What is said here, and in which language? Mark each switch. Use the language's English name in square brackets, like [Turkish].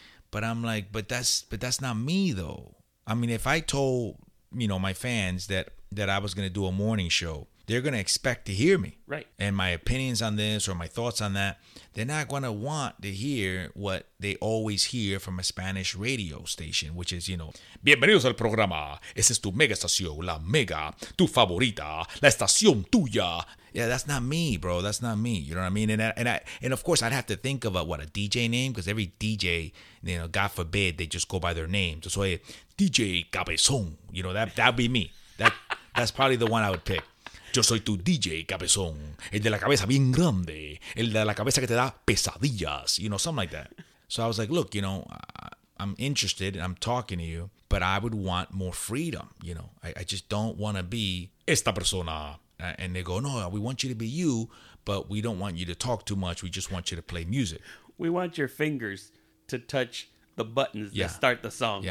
[English] But I'm like, but that's not me, though. I mean, if I told, you know, my fans that I was going to do a morning show, they're going to expect to hear me. Right. And my opinions on this or my thoughts on that, they're not going to want to hear what they always hear from a Spanish radio station, which is, you know, [Spanish] bienvenidos al programa. Esa es tu mega estación, la mega, tu favorita, la estación tuya. [English] Yeah, that's not me, bro. That's not me. You know what I mean? And of course, I'd have to think of a DJ name, because every DJ, you know, God forbid, they just go by their name. So DJ Cabezón, you know, that'd be me. That's probably the one I would pick. [Spanish] Yo soy tu DJ Cabezón, el de la cabeza bien grande, el de la cabeza que te da pesadillas, [English] you know, something like that. So I was like, look, you know, I'm interested and I'm talking to you, but I would want more freedom. You know, I just don't want to be [Spanish] esta persona. [English] And they go, no, we want you to be you, but we don't want you to talk too much. We just want you to play music. We want your fingers to touch the buttons that start the song.